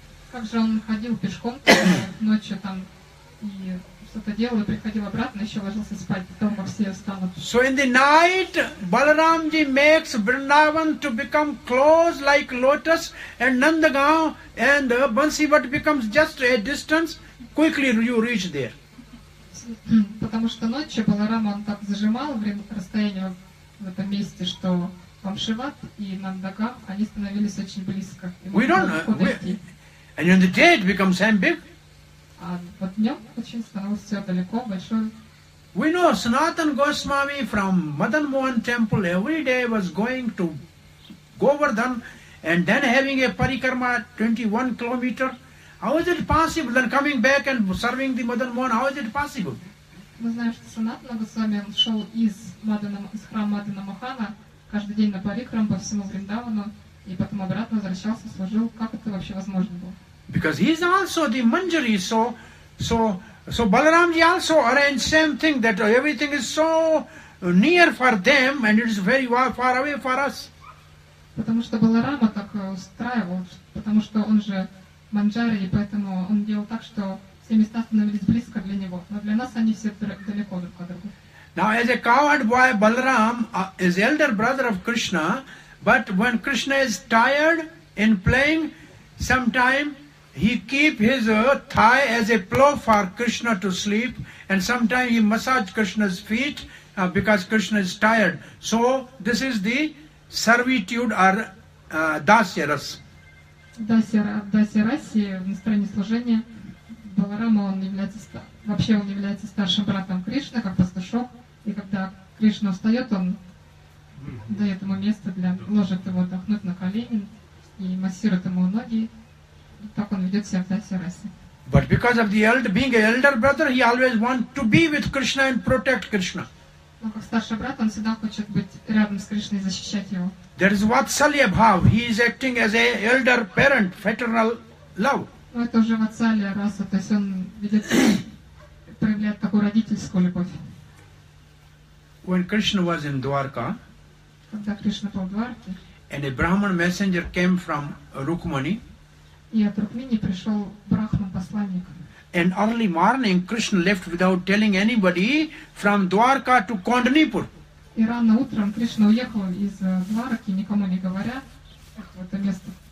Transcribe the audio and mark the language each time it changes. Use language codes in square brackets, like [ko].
[ru] Как же он ходил пешком ночью там и что-то делал, и приходил обратно, еще ложился спать, дома все встанут. [en] So in the night, Balaramji makes Vrindavan to become close like lotus, and Nandagaon and Bansi Vat becomes just a distance, quickly you reach there. [ru] Потому что ночью Баларама он так зажимал расстояние в этом месте, что Памшиват и Нандагам, они становились очень близко. [en] We don't know. And in the day it becomes same big. [ru] А вот днем очень становилось все далеко, большое [en] We know Sanatan Goswami from Madan Mohan temple every day was going to Govardhan and then having a parikarma 21 kilometer. How is it possible? Then coming back and serving the Madan Mohan, how is it possible? [ru] Мы знаем, что Санатана Госвами шел из храма Мадана Махана каждый день на парикрам по всему Вриндавану и потом обратно возвращался, служил. Как это вообще возможно было? [en] Because he is also the Manjari, so Balaramji also arranged same thing, that everything is so near for them and it is very far away for us. [ru] Потому что Баларама так устраивал, потому что он же Манджари, и поэтому он делал так, что все места становились близко для него, но для нас они все далеко друг от друга. [en] Now as a cowherd boy, Balaram is elder brother of Krishna, but when Krishna is tired in playing sometime, he keep his thigh as a pillow for Krishna to sleep, and sometimes he massage Krishna's feet because Krishna is tired. So this is the servitude or dasya ras. [ru] Dasya ras, в настроении служения Баларама, он является, вообще он является старшим братом Кришны, как пастушок, и когда Кришна встает, он дает ему место для ложит его отдохнуть на колени и массирует ему ноги. Так он ведет себя в Дасе Расе. [en] But because of the elder, being an elder brother, he always wants to be with Krishna and protect Krishna. [ru] Но как старший брат, он всегда хочет быть рядом с Кришной и защищать его. [en] There is Vatsalya Bhav. He is acting as an elder parent, fraternal love. [ru] Это уже Vatsalya Rasa, то есть он ведет, проявляет такую родительскую любовь. [en] When Krishna was in Dwarka, [ru] когда Кришна был в Дварке, [en] and a Brahman messenger came from Rukmani, [ru] и от Рукмини пришел Брахман-посланник. [en] And early morning, Krishna left without telling anybody from Dwarka to Kondanipur. [ru] И рано утром Кришна уехал из Двараки, никому не говоря, в это место.